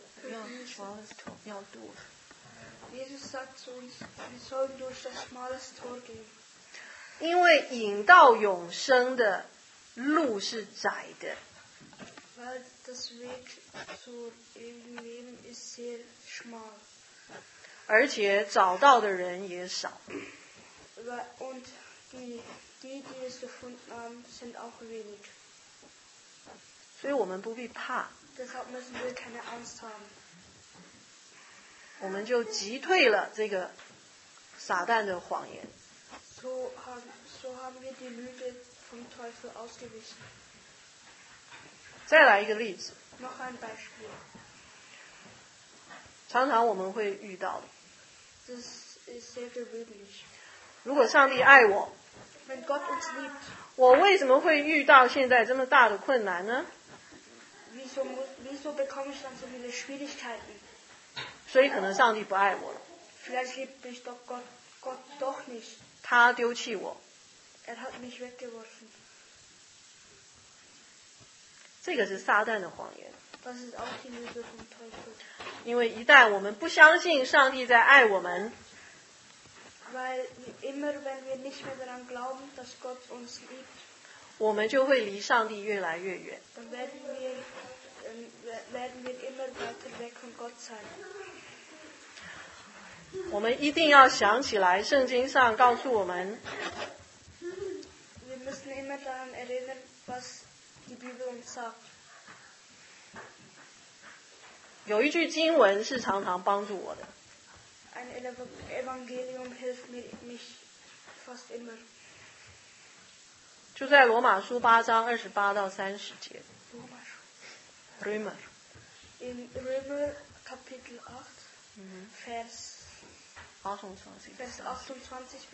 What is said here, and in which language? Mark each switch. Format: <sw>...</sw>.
<de>让 smaller tor 要 door. Jesus sagt zu uns, wir sollen durch das smallest tor gehen.</de> <zh>因为引到永生的路是窄的。</zh> <de>Weil das Weg zur ewigen Leben ist sehr schmal.</de> <zh>而且找到的人也少。</zh> <de>Und die es gefunden haben, sind auch wenig.</de> <zh>所以我们不必怕。</zh> <de>Deshalb müssen wir keine Angst haben.</de> <zh>我们就击退了这个撒旦的谎言。</zh> <de>So haben wir die Lüge vom Teufel ausgewichen.</de> <zh>再来一个例子。</zh> <de>Noch ein Beispiel.</de> <zh>常常我们会遇到的。</zh> <en>This is</en> <de>sehr gewöhnlich.</de> <zh>如果上帝爱我。</zh> <de>Wenn Gott uns liebt.</de> <zh>我为什么会遇到现在这么大的困难呢？</zh> <de>Wieso bekomme ich dann so viele Schwierigkeiten?</de> <zh>所以可能上帝不爱我了。</zh> <de>Vielleicht liebt mich doch Gott doch nicht.</de> <zh>他丢弃我。</zh> <de>Er hat mich weggeworfen.</de> <zh>这个是撒旦的谎言。</zh> <de>Das ist auch die Lüge vom Teufel.</de> <zh>因为一旦我们不相信上帝在爱我们，</zh> <de>Weil immer wenn wir nicht mehr daran glauben, dass Gott uns liebt,</de> <zh>我们就会离上帝越来越远。</zh> <de>Dann werden wir immer weiter weg von Gott sein.</de> <zh>我们一定要想起来，圣经上告诉我们。</zh> <de>Wir müssen immer daran erinnern, was Die Bibel uns sagt.</de> <zh>有一句经文是常常帮助我的。</zh> <de>Ein Evangelium hilft mich fast immer.</de> <zh>就在罗马书八章二十八到三十节。罗马书。</zh> <de>Römer. In Römer Kapitel 8, Vers 28 bis 30.</de>